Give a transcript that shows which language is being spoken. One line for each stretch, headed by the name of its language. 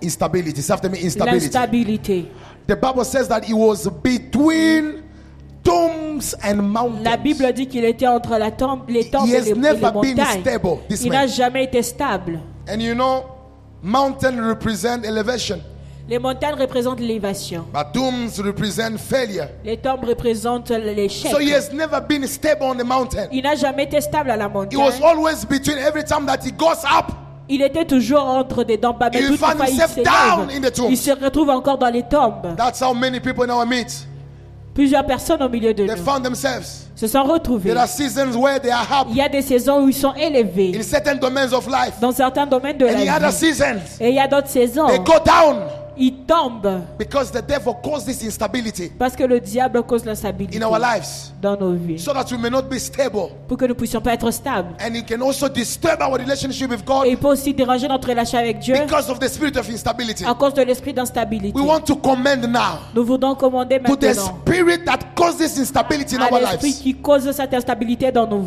English: instability, after me, instability.
French: L'instabilité.
English: The Bible says that he was between tombs and mountains.
French: La Bible dit qu'il était entre la tombe, les tombes et les montagnes.
English: He has never been stable. This
French: il n'a jamais été stable.
English: And you know, mountains represent elevation.
French: Les montagnes représentent l'élévation.
English: But tombs represent failure.
French: Les tombes représentent l'échec.
English: So he has never been stable on the mountain.
French: Il n'a jamais été stable à la montagne.
English: He was always between every time that he goes up.
French: Il était toujours entre des tombes. Mais toutes les fois il s'élève, il se retrouve encore dans les tombes.
English: That's how many people now meet.
French: Plusieurs personnes au milieu de
English: they
French: nous.
English: Found themselves.
French: Se sont retrouvés.
English: There are seasons where they are up.
French: Il y a des saisons où ils sont élevés.
English: In certain domains of life.
French: Dans certains domaines de
English: and
French: la vie.
English: Other seasons,
French: et il y a d'autres saisons.
English: They go down.
French: Il tombe.
English: Because the devil caused this instability.
French: Parce que le diable cause l'instabilité.
English: In our lives.
French: Dans nos vies.
English: So that we may not be stable.
French: Pour que nous puissions pas être stables.
English: And it can also disturb our relationship with God.
French: Et il peut aussi déranger notre relation avec Dieu.
English: Because of the spirit of instability.
French: À cause de l'esprit d'instabilité.
English: We want to command now.
French: Nous voulons commander maintenant.
English: To the spirit that caused this instability in our lives.
French: À l'esprit qui cause cette instabilité dans nos vies.